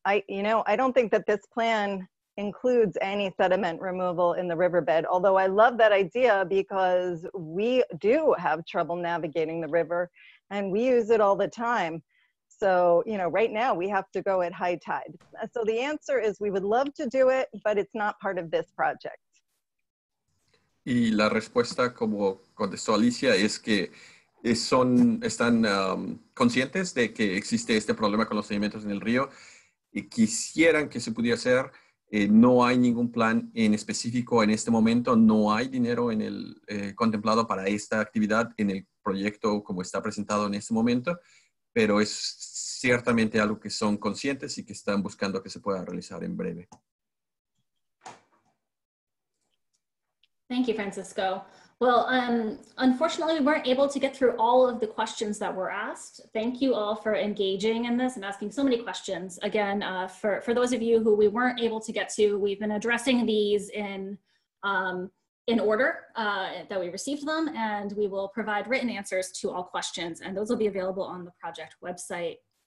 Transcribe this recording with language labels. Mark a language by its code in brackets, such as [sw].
[en] I don't think that this plan includes any sediment removal in the riverbed, although I love that idea because we do have trouble navigating the river and we use it all the time. So, you know, right now we have to go at high tide. So the answer is we would love to do it, but it's not part of this project. [es] Y la respuesta, como contestó Alicia, es que están conscientes de que existe este problema con los sedimentos en el río y quisieran que se pudiera hacer. No hay ningún plan en específico en este momento. No hay dinero en el contemplado para esta actividad en el proyecto como está presentado en este momento, pero es ciertamente algo que son conscientes y que están buscando que se pueda realizar en breve. [en] Thank you, Francisco. Well, unfortunately, we weren't able to get through all of the questions that were asked. Thank you all for engaging in this and asking so many questions. Again, for those of you who we weren't able to get to, we've been addressing these in order that we received them, and we will provide written answers to all questions, and those will be available on the project website.